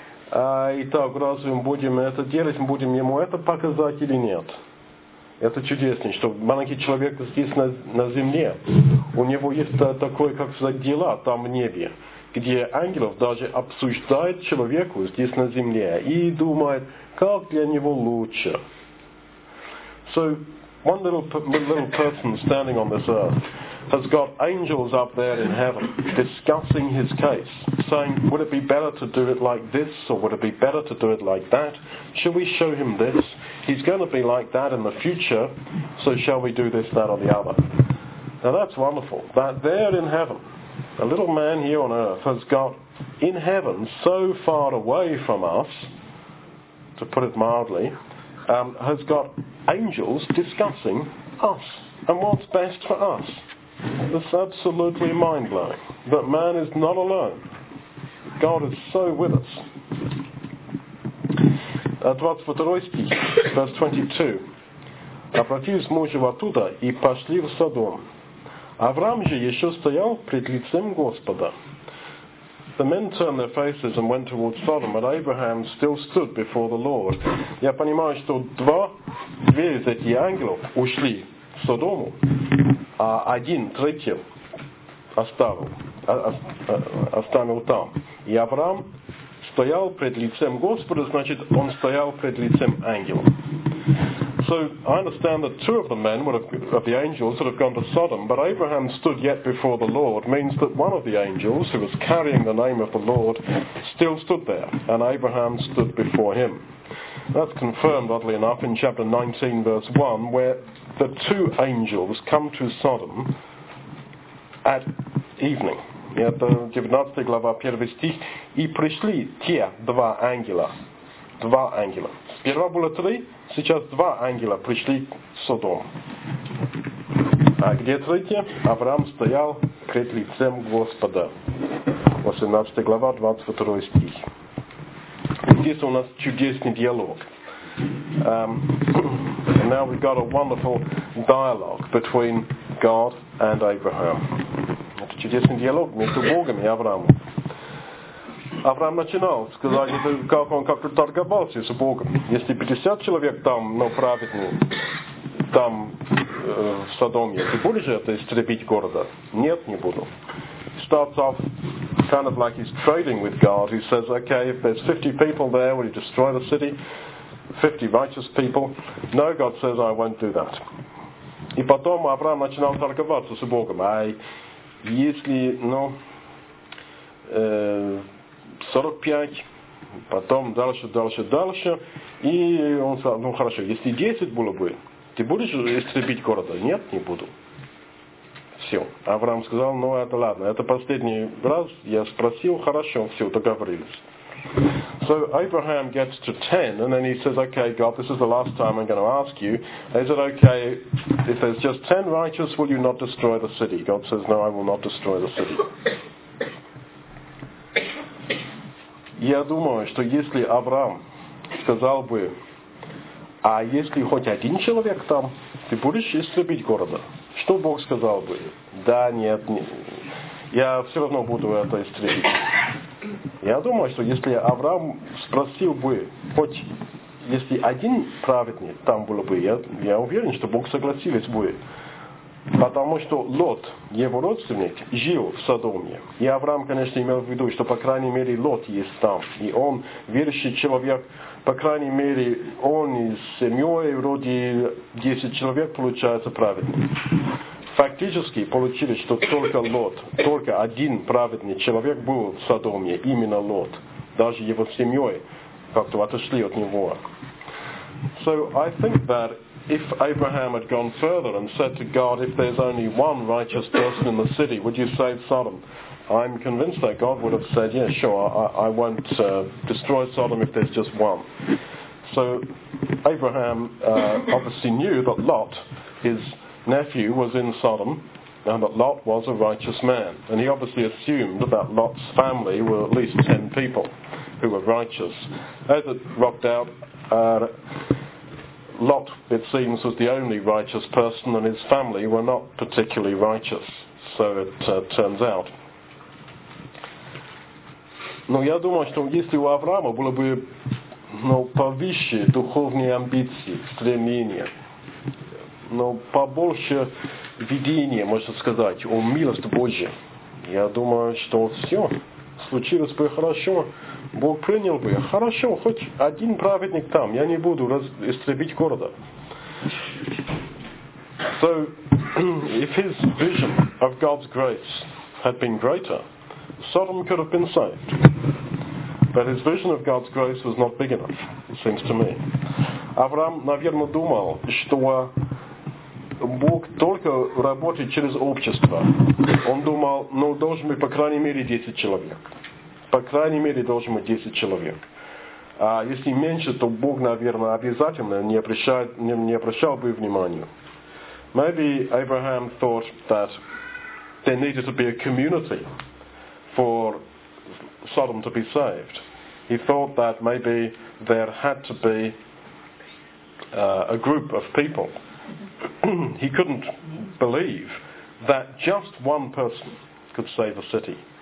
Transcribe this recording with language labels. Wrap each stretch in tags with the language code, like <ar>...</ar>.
<ru>Итак, разве мы будем это делать, мы будем ему это показать или нет? Это чудесно, что маленький человек здесь на земле, у него есть такое, как сказать, дела там в небе, где ангелов даже обсуждает человеку здесь на земле и думает, как для него лучше.</ru> <en>So, one little person standing on this earth has got angels up there in heaven discussing his case, saying, would it be better to do it like this, or would it be better to do it like that? Should we show him this? He's going to be like that in the future, so shall we do this, that, or the other? Now that's wonderful, that there in heaven, a little man here on earth has got in heaven so far away from us, to put it mildly, has got angels discussing us and what's best for us. It's absolutely mind-blowing that man is not alone. God is so with us.</en> <ru>22 стих,</ru> <en>verse 22.</en> <ru>Обратились мужи оттуда и пошли в Содом. Авраам же еще стоял пред лицем Господа.</ru> <en>The men turned their faces and went towards Sodom, but Abraham still stood before the Lord.</en> <ru>Я понимаю, что две из этих ангелов ушли в Содому, а один третий оставил там. И Авраам стоял пред лицем Господа, значит, он стоял пред лицем ангелов.</ru> <en>So I understand that two of the men would have, of the angels would have gone to Sodom, but Abraham stood yet before the Lord means that one of the angels who was carrying the name of the Lord still stood there, and Abraham stood before him. That's confirmed, oddly enough, in chapter 19, verse 1, where the two angels come to Sodom at evening.</en> <ru>Это 19 глава, 1 стих. И пришли те два ангела. Два ангела. Сперва было три, сейчас два ангела пришли к Содому. А где третье? Авраам стоял пред лицем Господа. 18 глава, 22 стих. И здесь у нас чудесный диалог.</ru> <en>And now we've got a wonderful dialogue between God and Abraham.</en> <ru>Это чудесный диалог между Богом и Авраамом. Авраам начинал сказать, как он как-то торговался с Богом. Если 50 человек там, но праведные, там в Содоме, ты будешь это истребить города? Нет, не буду.</ru> <en>He starts off kind of like he's trading with God. He says, okay, if there's 50 people there, will you destroy the city? 50 righteous people. No, God says, I won't do that.</en> <ru>И потом Авраам начинал торговаться с Богом. Если, ну, 45, потом дальше, и он сказал, ну хорошо, если 10 было бы, ты будешь истребить города? Нет, не буду. Все. Авраам сказал, ну это ладно, это последний раз, я спросил, хорошо, все, договорились.</ru> <en>So Abraham gets to 10, and then he says, okay, God, this is the last time I'm going to ask you. Is it okay, if there's just 10 righteous, will you not destroy the city? God says, no, I will not destroy the city.</en> <ru>Я думаю, что если Авраам сказал бы, а если хоть один человек там, ты будешь истребить города? Что Бог сказал бы? Да, нет, не, я все равно буду это истребить. Я думаю, что если Авраам спросил бы, хоть если один праведный там был бы, я уверен, что Бог согласился бы. Потому что Лот, его родственник, жил в Содоме. И Авраам, конечно, имел в виду, что, по крайней мере, Лот есть там. И он верующий человек, по крайней мере, он и с семьей, вроде 10 человек, получается праведный. Фактически получилось, что только Лот, только один праведный человек был в Содоме, именно Лот. Даже его семьей как-то отошли от него.</ru> <en>So I think that if Abraham had gone further and said to God, if there's only one righteous person in the city, would you save Sodom? I'm convinced that God would have said, yeah, sure, I won't destroy Sodom if there's just one. So Abraham obviously knew that Lot, his nephew, was in Sodom, and that Lot was a righteous man. And he obviously assumed that Lot's family were at least 10 people who were righteous. As it rocked out, Lot, it seems, was the only righteous person, and his family were not particularly righteous, so it turns out.</en> <ru>Но я думаю, что если у Авраама было бы, ну, повыше духовные амбиции, стремления, ну, побольше видения, можно сказать, о милости Божьей, я думаю, что все случилось бы хорошо. Бог принял бы, хорошо, хоть один праведник там, я не буду истребить города.</ru> <en>So, if his vision of God's grace had been greater, Sodom could have been saved. But his vision of God's grace was not big enough, it seems to me.</en> <ru>Авраам, наверное, думал, что Бог только работает через общество. Он думал, ну, должен быть по крайней мере 10 человек. По крайней мере, должен быть 10 человек. А если меньше, то Бог, наверное, обязательно не обращал бы внимания.</ru> <en>Maybe Abraham thought that there needed to be a community for Sodom to be saved. He thought that maybe there had to be a group of people. He couldn't believe that just one person could save a city.</en>